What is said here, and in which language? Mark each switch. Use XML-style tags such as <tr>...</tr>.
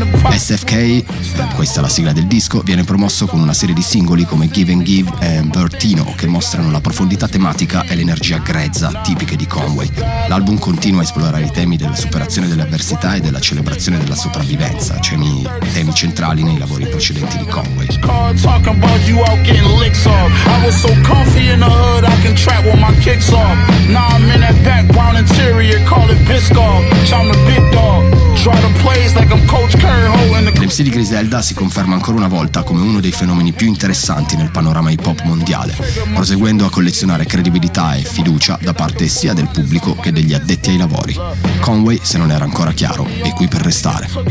<it>SFK, questa è la sigla del disco, viene promosso con una serie di singoli come Give and Give e Bertino, che mostrano la profondità tematica e l'energia grezza tipiche di Conway. L'album continua a esplorare i temi della superazione delle avversità e della celebrazione della sopravvivenza, temi centrali nei lavori precedenti di Conway.</it> <en>Getting licks off. I was so comfy in the hood, I can trap with my kicks off. Now I'm in that back brown interior, call it Biscoff. I'm the big dog. Try to play like I'm Coach Kerr holding the.</en> <it>L'MC di Griselda si conferma ancora una volta come uno dei fenomeni più interessanti nel panorama hip hop mondiale, proseguendo a collezionare credibilità e fiducia da parte sia del pubblico che degli addetti ai lavori. Conway, se non era ancora chiaro, è qui per restare.</it>